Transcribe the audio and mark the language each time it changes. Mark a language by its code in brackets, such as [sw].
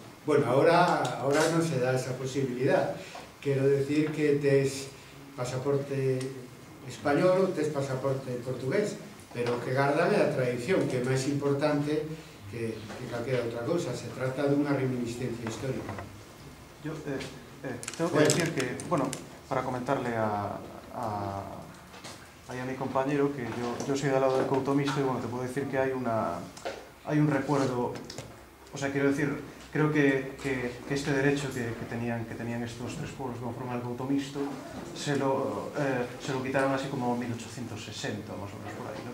[gl] Bueno, ahora non se dá esa posibilidad. Quero decir que tes pasaporte español, tes pasaporte portugués, pero que gárdame a tradición, que é máis importante que calquera outra cousa. Se trata dunha reminiscencia histórica. [es] Yo tengo que decir que, bueno, para comentarle a mi compañero, que yo soy del lado del Couto Mixto, y bueno, te puedo decir que hay un recuerdo, o sea, quiero decir, creo que este derecho que tenían estos tres pueblos conforme al Couto Mixto, se lo quitaron así como 1860, más o menos por ahí, ¿no?